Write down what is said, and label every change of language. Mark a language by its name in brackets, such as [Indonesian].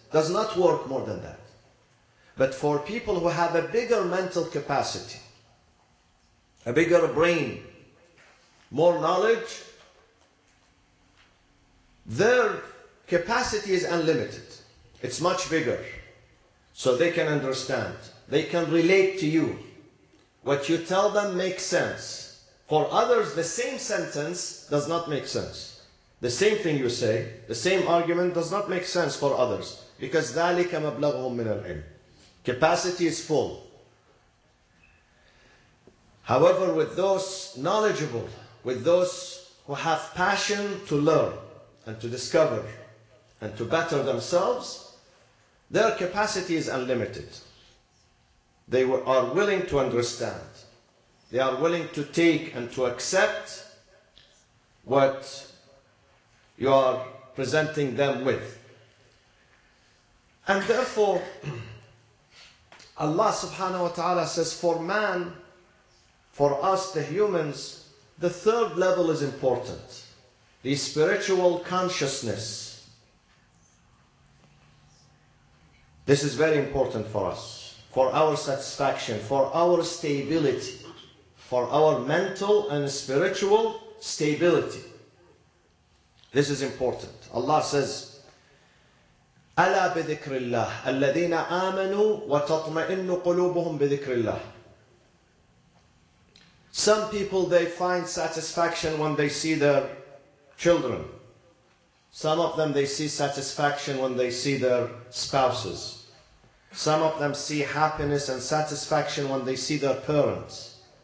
[English] Does not work more than that. But for people who have a bigger mental capacity, a bigger brain, more knowledge, their capacity is unlimited. It's much bigger. So they can understand. They can relate to you. What you tell them makes sense. For others, the same sentence does not make sense. The same thing you say, the same argument does not make sense for others. Because [Arabic] ذَلِكَ مَبْلَغُهُمْ مِنَ الْعِلْمِ. [English] Capacity is full. However, with those knowledgeable, with those who have passion to learn and to discover and to better themselves, their capacity is unlimited. They are willing to understand. They are willing to take and to accept what you are presenting them with. And therefore, Allah subhanahu wa ta'ala says, for man, for us the humans, the third level is important. The spiritual consciousness. This is very important for us, for our satisfaction, for our stability, for our mental and spiritual stability. This is important. Allah says, [Arabic] أَلَا بِذِكْرِ اللَّهِ الَّذِينَ آمَنُوا وَتَطْمَئِنُّ قُلُوبُهُمْ بِذِكْرِ اللَّهِ. [English] Some people, they find satisfaction when they see their children. Some of them, they see satisfaction when they see their spouses. Some of them see happiness and satisfaction when they see their parents.